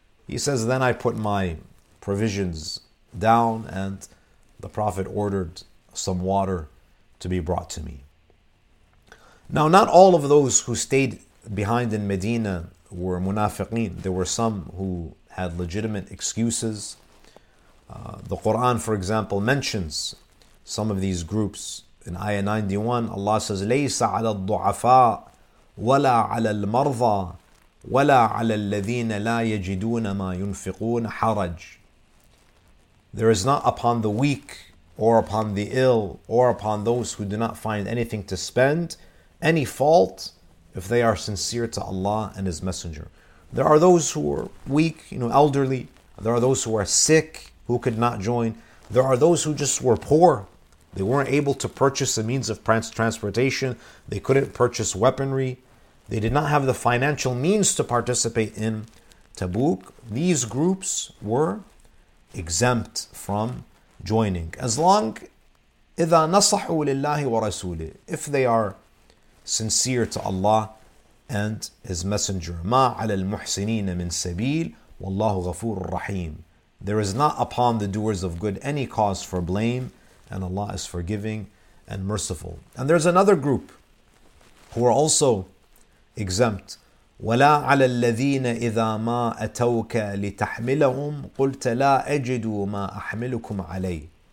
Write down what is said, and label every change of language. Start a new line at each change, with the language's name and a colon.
English: He says, then I put my provisions down and the Prophet ordered some water to be brought to me. Now, not all of those who stayed behind in Medina were munafiqeen. There were some who had legitimate excuses. The Quran, for example, mentions some of these groups. In Ayah 91, Allah says,
Arabic: لَيْسَ عَلَى الضُّعَفَاءِ وَلَا عَلَى الْمَرْضَى وَلَا عَلَى الَّذِينَ لَا يَجِدُونَ مَا يُنْفِقُونَ حَرَجٌ.
English: There is not upon the weak or upon the ill or upon those who do not find anything to spend any fault if they are sincere to Allah and His Messenger. There are those who are weak, you know, elderly. There are those who are sick who could not join. There are those who just were poor. They weren't able to purchase a means of transportation. They couldn't purchase weaponry. They did not have the financial means to participate in Tabuk. These groups were exempt from joining. As long
Arabic: إذا نصحوا لله ورسوله,
English: if they are sincere to Allah and His Messenger.
Arabic: ما على المحسنين من سبيل والله غفور رحيم.
English: There is not upon the doers of good any cause for blame, and Allah is forgiving and merciful. And there's another group who are also exempt.
Arabic: وَلَا عَلَى الَّذِينَ إِذَا مَا أَتَوْكَ لِتَحْمِلَهُمْ قُلْتَ لَا أَجِدُ مَا أَحْمِلُكُمْ عَلَيْهِ.